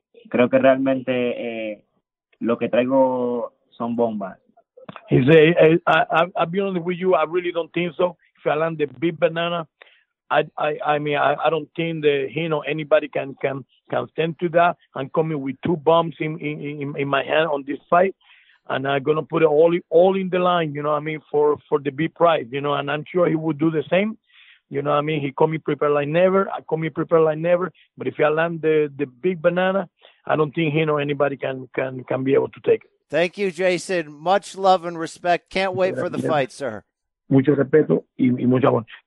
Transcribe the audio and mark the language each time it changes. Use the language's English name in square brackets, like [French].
[Spanish] Creo que realmente lo que traigo son bombas. [English] He said, I'll be honest with you, I really don't think so. If I land the big banana, I mean, I don't think that he or anybody can stand to that. I'm coming with two bombs in my hand on this fight, and I'm going to put it all in the line, you know what I mean, for the big prize, you know, and I'm sure he would do the same. You know what I mean? He called me prepared like never. I called me prepared like never. But if I land the big banana, I don't think he or anybody can be able to take it. Thank you, Jason. Much love and respect. Can't wait for the fight, sir. [Spanish] Mucho respeto y mucho amor.